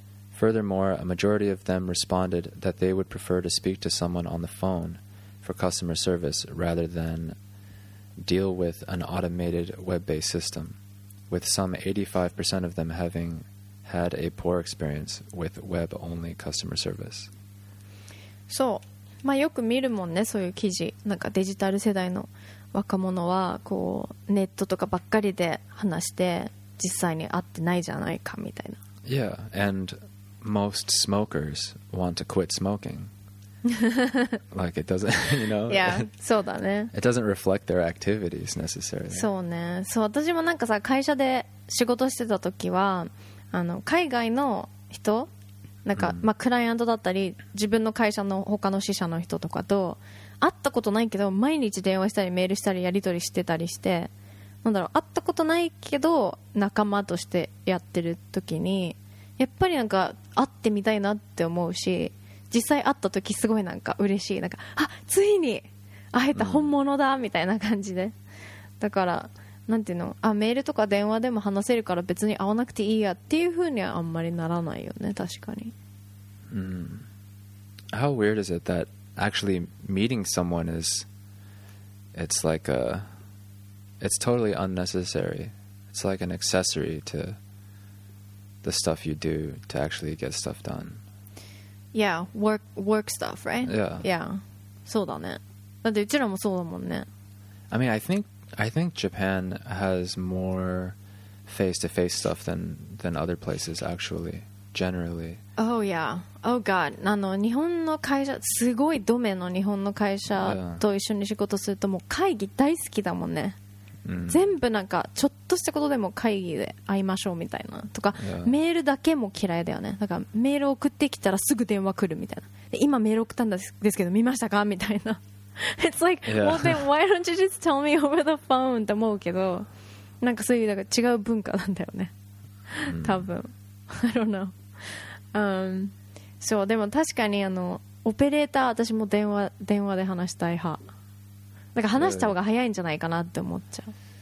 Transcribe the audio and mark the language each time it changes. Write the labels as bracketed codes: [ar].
[en] Furthermore, a majority of them responded that they would prefer to speak to someone on the phone for customer service rather than deal with an automated web-based system, with some 85% of them having had a poor experience with web-only customer service. So, [ja] まあ、よく見るもんね、そういう記事。なんかデジタル世代の若者はこうネットとかばっかりで話して実際に会ってないじゃないかみたいな。 [en] Yeah, and most smokers want to quit smoking. Like it doesn't, you know. Yeah, [ja] そうだね。 [en] It doesn't reflect their activities necessarily. [ja] そうね。そう、私もなんかさ、会社で仕事してた時は、あの海外の人、なんか、まあ、クライアントだったり自分の会社の他の支社の人とかと会ったことないけど毎日電話したりメールしたりやり取りしてたりして、なんだろう、会ったことないけど仲間としてやってる時にやっぱりなんか会ってみたいなって思うし、実際会った時すごいなんか嬉しい、なんかあ、ついに会えた、本物だみたいな感じで、だからなんていうの、あ、メールとか電話でも話せるから別に会わなくていいやっていう風にはあんまりならないよね、確かに。 Mm. [en] How weird is it that actually meeting someone is, it's like a, it's totally unnecessary. It's like an accessory to the stuff you do to actually get stuff done. Yeah, work stuff, right? Yeah. [ja] そうだね。だってうちらもそうだもんね。 [en] I mean, I think Japan has more face-to-face stuff than other places, actually, generally. Oh, yeah. Oh, God. [ja] あの、日本の会社、すごいドメの日本の会社と一緒に仕事すると、もう会議大好きだもんね。全部なんか、ちょっとしたことでも会議で会いましょうみたいな。とか、メールだけも嫌いだよね。なんか、メール送ってきたらすぐ電話来るみたいな。で、今メール送ったんですけど、見ましたかみたいな。 [en] It's like, well, then why don't you just tell me over the phone? [ja] って思うけど、なんかそういうなんか違う文化なんだよね。多分。 [en] I don't know. [ja] そう、でも確かにあの、オペレーター、私も電話で話したい派。なんか話した方が早いんじゃないかなって思っちゃう。